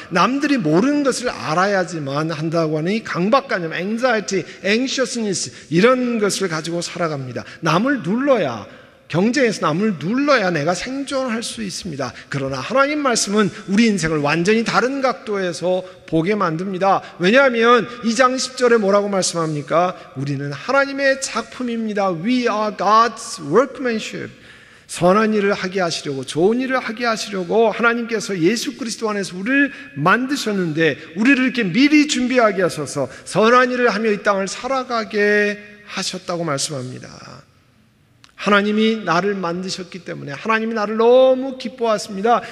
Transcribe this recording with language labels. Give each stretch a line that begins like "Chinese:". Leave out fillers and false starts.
Korean: 남들이 모르는 것을 알아야지만 한다고 하는 이 강박관념, anxiety, anxiousness 이런 것을 가지고 살아갑니다. 남을 눌러야, 경쟁에서 남을 눌러야 내가 생존할 수 있습니다. 그러나 하나님 말씀은 우리 인생을 완전히 다른 각도에서 보게 만듭니다. 왜냐하면 2장 10절에 뭐라고 말씀합니까? 우리는 하나님의 작품입니다.
English: We are God's workmanship.
Korean: 선한 일을 하게 하시려고, 좋은 일을 하게 하시려고 하나님께서 예수 그리스도 안에서 우리를 만드셨는데, 우리를 이렇게 미리 준비하게 하셔서 선한 일을 하며 이 땅을 살아가게 하셨다고 말씀합니다. 하나님이 나를 만드셨기 때문에 하나님이 나를 너무 기뻐하십니다.